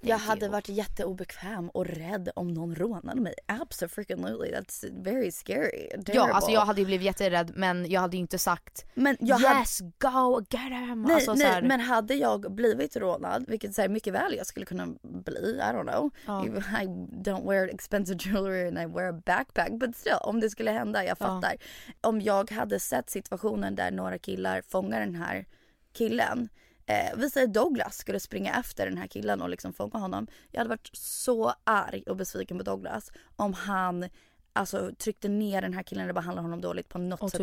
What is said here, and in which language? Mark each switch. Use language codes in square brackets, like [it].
[sv] Jag hade varit jätteobekväm och rädd om någon rånade mig. [en] Absolutely, that's very scary. Terrible. [sv] Ja, alltså jag hade ju blivit jätterädd, men jag hade ju inte sagt, men [en] go, get him. [sv] Nej, alltså, nej, men hade jag blivit rånad, vilket så här, mycket väl jag skulle kunna bli, [en] I don't know. Oh. I don't wear expensive jewelry and I wear a backpack, but still, [sv] om det skulle hända, jag fattar. Om jag hade sett situationen där några killar fångar den här killen, vi säger Douglas skulle springa efter den här killen och liksom fånga honom, jag hade varit så arg och besviken på Douglas om han alltså tryckte ner den här killen och behandlade honom dåligt på något